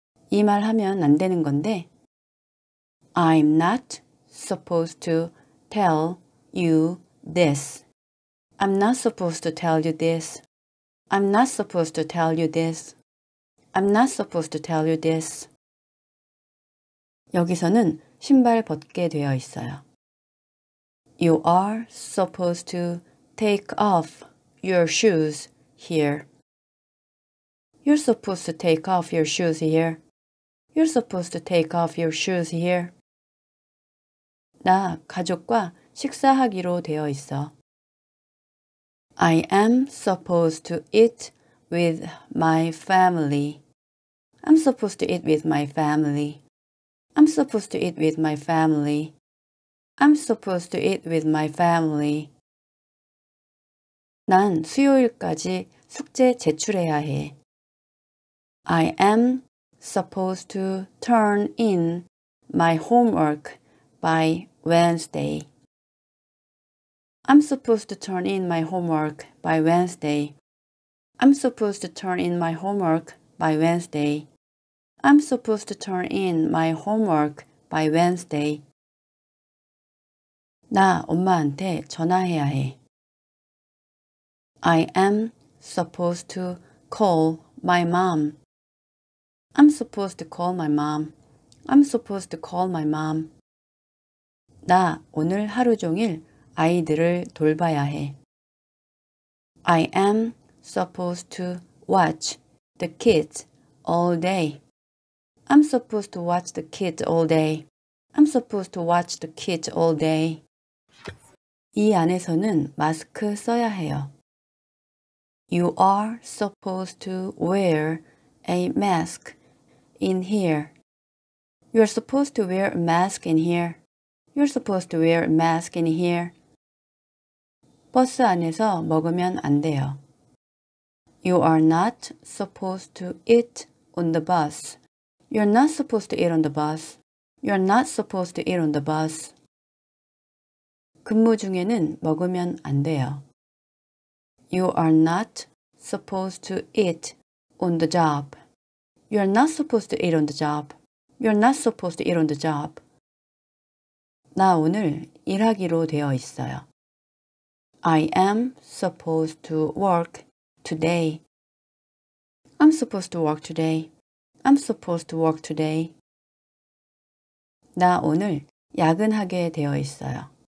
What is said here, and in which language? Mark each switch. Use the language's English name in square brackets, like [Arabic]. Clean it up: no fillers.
[Korean] 이 말 하면 안 되는 건데 [English] I'm not supposed to tell you this. I'm not supposed to tell you this. I'm not supposed to tell you this. I'm not supposed to tell you this. [Korean] 여기서는 신발 벗게 되어 있어요. [English] You are supposed to take off your shoes here. You're supposed to take off your shoes here. You're supposed to take off your shoes here. [Korean] 나 가족과 식사하기로 되어 있어. [English] I am supposed to eat with my family. I'm supposed to eat with my family. I'm supposed to eat with my family. I'm supposed to eat with my family. [Korean] 난 수요일까지 숙제 제출해야 해. [English] I am supposed to turn in my homework by Wednesday. I'm supposed to turn in my homework by Wednesday. I'm supposed to turn in my homework by Wednesday. I'm supposed to turn in my homework by Wednesday. [Korean] 나 엄마한테 전화해야 해. [English] I am supposed to call my mom. I'm supposed to call my mom. I'm supposed to call my mom. [Korean] 나 오늘 하루 종일 아이들을 돌봐야 해. [English] I am supposed to watch the kids all day. I'm supposed to watch the kids all day. I'm supposed to watch the kids all day. [Korean] 이 안에서는 마스크 써야 해요. [English] You are supposed to wear a mask in here. You are supposed to wear a mask in here. You're supposed to wear a mask in here. [Korean] 버스 안에서 먹으면 안 돼요. [English] You are not supposed to eat on the bus. You're not supposed to eat on the bus. You're not supposed to eat on the bus. [Korean] 근무 중에는 먹으면 안 돼요. [English] You are not supposed to eat on the job. You're not supposed to eat on the job. You're not supposed to eat on the job. [Korean] 나 오늘 일하기로 되어 있어요. [English] I am supposed to work today. I'm supposed to work today. I'm supposed to work today. [Korean] 나 오늘 야근하게 되어 있어요.